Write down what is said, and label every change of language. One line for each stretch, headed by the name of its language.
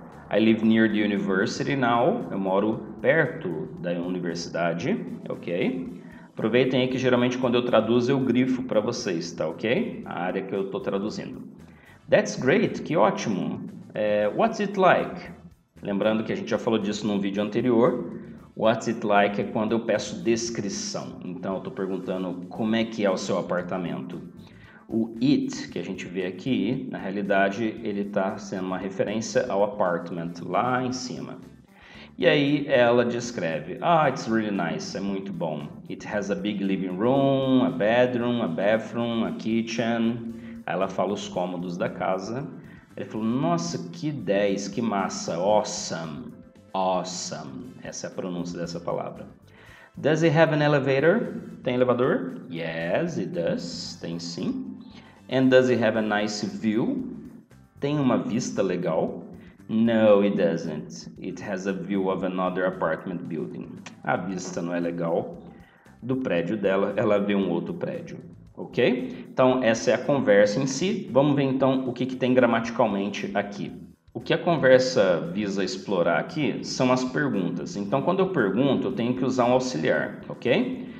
English: I live near the university now.
Portuguese: Eu moro perto da universidade, ok? Aproveitem aí que geralmente quando eu traduzo eu grifo para vocês, tá ok? A área que eu estou traduzindo.
English: That's great,
Portuguese: que ótimo.
English: What's it like?
Portuguese: Lembrando que a gente já falou disso num vídeo anterior.
English: What's it like
Portuguese: é quando eu peço descrição. Então eu estou perguntando como é que é o seu apartamento. O it que a gente vê aqui, na realidade, ele está sendo uma referência ao apartment lá em cima. E aí ela descreve: Ah,
English: it's really nice,
Portuguese: é muito bom.
English: It has a big living room, a bedroom, a bathroom, a kitchen.
Portuguese: Aí ela fala os cômodos da casa. Ele falou: Nossa, que 10, que massa,
English: awesome, awesome.
Portuguese: Essa é a pronúncia dessa palavra.
English: Does it have an elevator?
Portuguese: Tem elevador?
English: Yes, it does.
Portuguese: Tem sim.
English: And does it have a nice view?
Portuguese: Tem uma vista legal?
English: No, it doesn't. It has a view of another apartment building.
Portuguese: A vista não é legal do prédio dela, ela vê um outro prédio. Ok? Então, essa é a conversa em si. Vamos ver então o que que tem gramaticalmente aqui. O que a conversa visa explorar aqui são as perguntas. Então, quando eu pergunto, eu tenho que usar um auxiliar, ok?